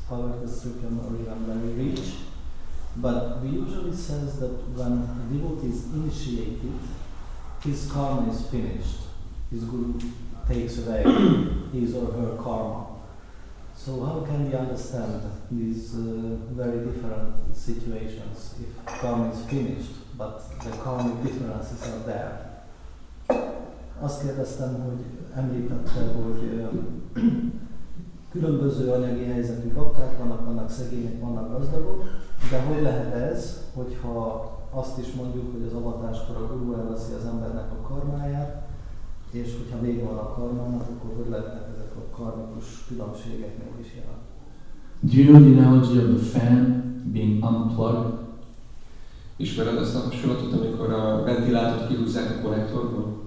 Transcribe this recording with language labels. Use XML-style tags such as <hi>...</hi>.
<en>However, the Srikam or even very rich. But we usually says that when a devotee is initiated, his karma is finished. His guru takes away his or her karma. So how can we understand these very different situations if karma is finished, but the karmic differences are there?</en> <hu>Azt kérdeztem, hogy említette, hogy különböző anyagi helyzetű bakták vannak szegények, vannak gazdagok, de hogy lehet ez, hogyha azt is mondjuk, hogy az avatáskor a guru elveszi az embernek a karmáját, és hogyha még van a karmának, akkor hogy lehetnek ezek a karmikus különbségek még is jelen?</hu> <en>Do you know the analogy of the fan being unplugged?</en> <hu>Ismered azt a hasonlatot, amikor a ventilátort kihúzzák a konnektorból?</hu>